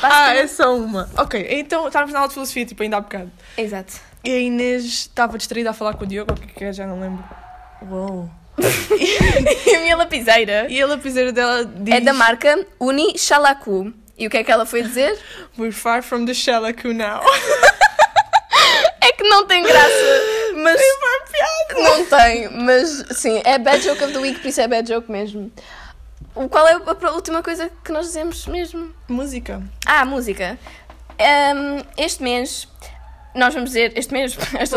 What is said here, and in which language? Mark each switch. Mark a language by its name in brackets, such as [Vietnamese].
[Portuguese] Ah, é só uma. Ok, então estávamos na aula de filosofia, tipo, ainda há bocado. Exato. E a Inês estava distraída a falar com o Diogo, o que é, já não lembro. Uou. E a minha lapiseira. E a lapiseira dela diz... É da marca Uni Shalaku. E o que é que ela foi dizer? [English] We're far from the Shalaku now. [Portuguese] É que não tem graça. Mas... Sim, foi uma piada. Não tem, mas sim, é [English] bad joke of the week, [Portuguese] por isso é bad joke mesmo. Qual é a última coisa que nós dizemos mesmo? Música. Ah, música. Este mês, nós vamos dizer, este mês, esta